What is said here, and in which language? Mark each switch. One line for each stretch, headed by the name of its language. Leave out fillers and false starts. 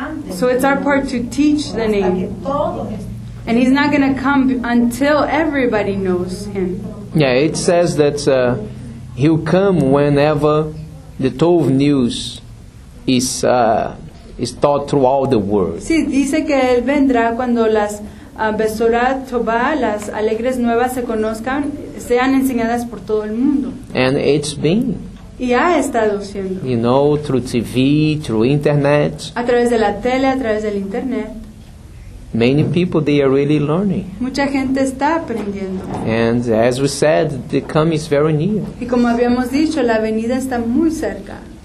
English: So it's our part to teach the name. And he's not going to come until everybody knows him. Yeah, it says that he'll come whenever the Tov news is taught throughout the world.
Spanish: Sí, dice que él vendrá cuando las Besorah Tova, las alegres nuevas se conozcan, sean enseñadas por todo el mundo.
English: And it's been.
Spanish: Y ha estado siendo.
English: You know, through TV, through internet.
Spanish: A través de la tele, a través del internet.
English: Many people, they are really learning.
Spanish: Mucha gente está aprendiendo.
English: And as we said, the coming is very near.
Spanish: Y como habíamos dicho, la venida está muy cerca.